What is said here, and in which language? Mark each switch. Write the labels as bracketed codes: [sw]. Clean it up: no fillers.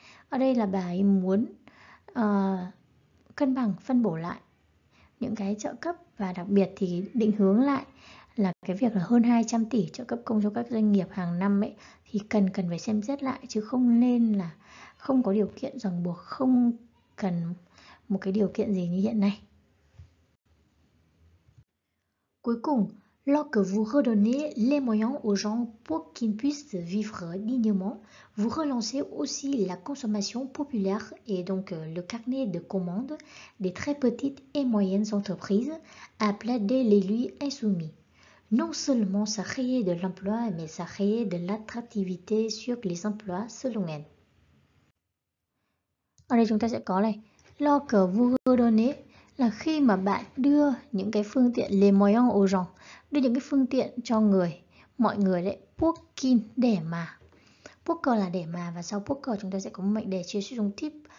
[vi] Ở đây là bài muốn cân bằng, phân bổ lại những cái trợ cấp, và đặc biệt thì định hướng lại là cái việc là hơn 200 tỷ trợ cấp công cho các doanh nghiệp hàng năm ấy, thì cần phải xem xét lại, chứ không nên là không có điều kiện ràng buộc, không cần một cái điều kiện gì như hiện nay. Cuối cùng, [fr] lorsque vous redonnez les moyens aux gens pour qu'ils puissent vivre dignement, vous relancez aussi la consommation populaire et donc le carnet de commandes des très petites et moyennes entreprises, a plaidé l'élu insoumis. Non seulement ça crée de l'emploi, mais ça crée de l'attractivité sur les emplois, selon elle. [vi] Ở đây chúng ta sẽ có này, [fr] lorsque vous redonnez, [vi] là khi mà bạn đưa những cái phương tiện, [fr] les moyens aux gens, [vi] đưa những cái phương tiện cho người, mọi người đấy, [fr] pour qui, [vi] để mà. [fr] Pour que [vi] là để mà, và sau [fr] pour que [vi] chúng ta sẽ có một mệnh đề chia sẻ dung tiếp.